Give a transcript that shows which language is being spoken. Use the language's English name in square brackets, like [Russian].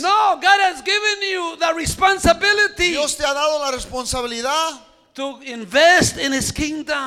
[English] No, God has given you the responsibility. [Spanish] Dios te ha dado la responsabilidad. [English] To invest in His kingdom.